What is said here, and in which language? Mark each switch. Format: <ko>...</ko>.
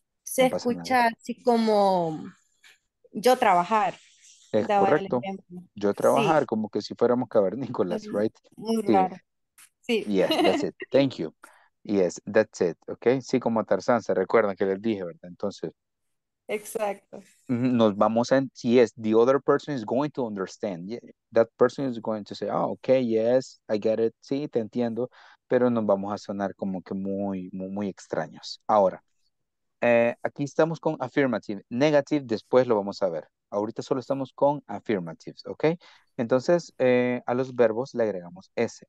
<es>se escucha así como yo trabajar. Es correcto. Yo trabajar, sí. Como que si fuéramos cavernícolas, right? Sí. Claro. Sí.</es> <en>Yes, that's it. Thank you. Yes, that's it. Okay.</en> <es>Sí, como Tarzán, se recuerdan que les dije, ¿verdad? Entonces. Exacto. Nos vamos a.</es> <en>Yes, the other person is going to understand. That person is going to say, oh, okay, yes, I get it.</en> <es>Sí, te entiendo. Pero nos vamos a sonar como que muy, muy, muy extraños. Ahora, aquí estamos con affirmative. Negative, después lo vamos a ver. Ahorita solo estamos con affirmatives, ¿ok? Entonces, a los verbos le agregamos S.</es>